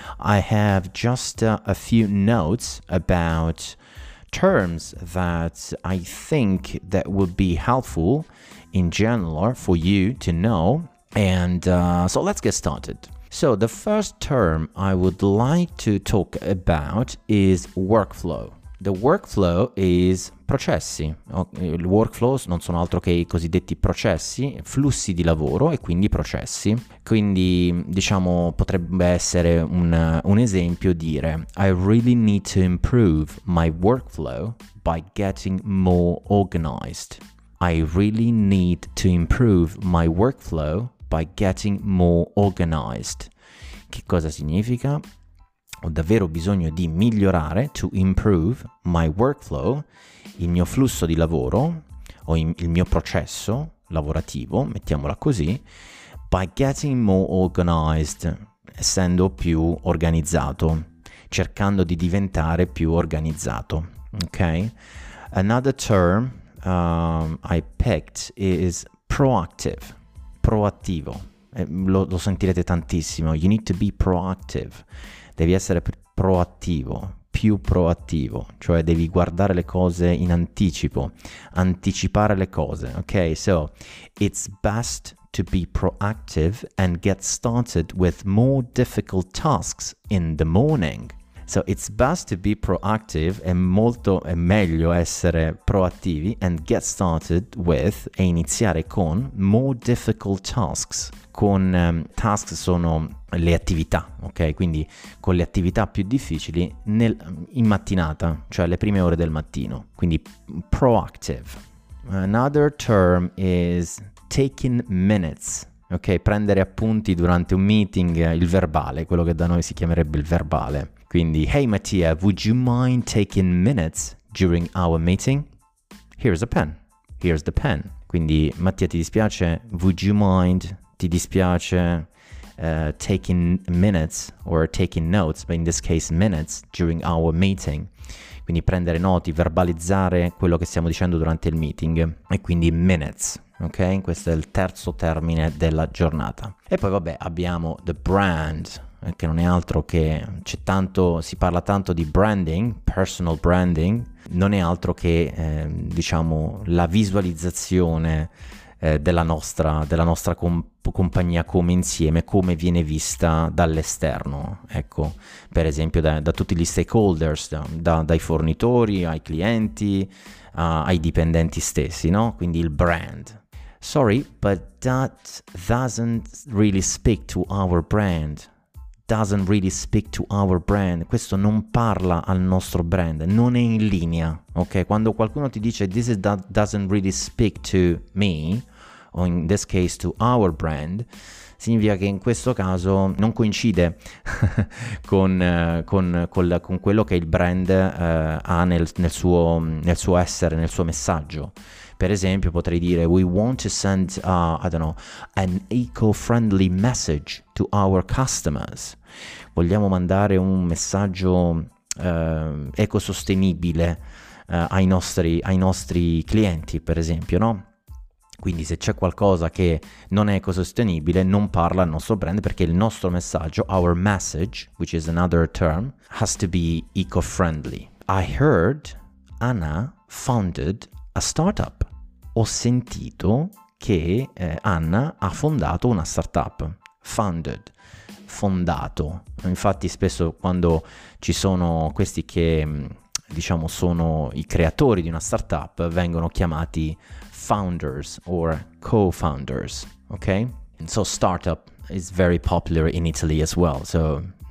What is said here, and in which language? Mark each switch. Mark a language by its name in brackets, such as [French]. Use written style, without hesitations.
[English] I have just a few notes about terms that I think that would be helpful in general for you to know. And so let's get started. So the first term I would like to talk about is workflow. The workflow is processi. [Italian] Il workflow non sono altro che i cosiddetti processi, flussi di lavoro e quindi processi. Quindi diciamo potrebbe essere un esempio dire [English] I really need to improve my workflow by getting more organized. I really need to improve my workflow by getting more organized. [Italian] Che cosa significa? Ho davvero bisogno di migliorare, [English] to improve my workflow, [Italian] il mio flusso di lavoro o il mio processo lavorativo, mettiamola così, [English] by getting more organized, [Italian] essendo più organizzato, cercando di diventare più organizzato. Ok? [English] Another term I picked is proactive. [Italian] Proattivo, lo sentirete tantissimo, [English] you need to be proactive, [Italian] devi essere proattivo, più proattivo, cioè devi guardare le cose in anticipo, anticipare le cose, ok? [English] So, it's best to be proactive and get started with more difficult tasks in the morning. So, it's best to be proactive, [Italian] è meglio essere proattivi [English] and get started with, [Italian] e iniziare con, [English] more difficult tasks. [Italian] Con tasks sono le attività, ok? Quindi con le attività più difficili in mattinata, cioè le prime ore del mattino. Quindi proactive. [English] Another term is taking minutes. [Italian] Ok, prendere appunti durante un meeting, il verbale, quello che da noi si chiamerebbe il verbale. [English] Quindi, hey Mattia, would you mind taking minutes during our meeting? Here's a pen. Here's the pen. [Italian] Quindi, Mattia, ti dispiace? [English] Would you mind, [Italian] ti dispiace, [English] taking minutes or taking notes, but in this case minutes, during our meeting? [Italian] Quindi prendere noti, verbalizzare quello che stiamo dicendo durante il meeting. E quindi minutes, ok? Questo è il terzo termine della giornata. E poi, vabbè, abbiamo the brand, che non è altro che c'è tanto, si parla tanto di branding, personal branding, non è altro che diciamo la visualizzazione della nostra compagnia come insieme, come viene vista dall'esterno, ecco, per esempio da tutti gli stakeholders, dai fornitori ai clienti ai dipendenti stessi, no? Quindi il brand. [English] Sorry, but that doesn't really speak to our brand. Doesn't really speak to our brand. [Italian] Questo non parla al nostro brand, non è in linea, ok? Quando qualcuno ti dice [English] this is that doesn't really speak to me, [Italian] o [English] in this case to our brand, [Italian] significa che in questo caso non coincide con quello che il brand ha nel suo essere, nel suo messaggio. Per esempio potrei dire [English] we want to send an eco-friendly message to our customers. [Italian] Vogliamo mandare un messaggio ecosostenibile ai nostri clienti, per esempio, no? Quindi se c'è qualcosa che non è ecosostenibile, non parla al nostro brand, perché il nostro messaggio, [English] our message, which is another term, has to be eco-friendly. I heard Anna founded a startup. [Italian] Ho sentito che Anna ha fondato una startup. Founded, fondato. Infatti spesso quando ci sono questi che diciamo sono i creatori di una startup vengono chiamati founders or co-founders, [English] okay? And so startup is very popular in Italy as well. So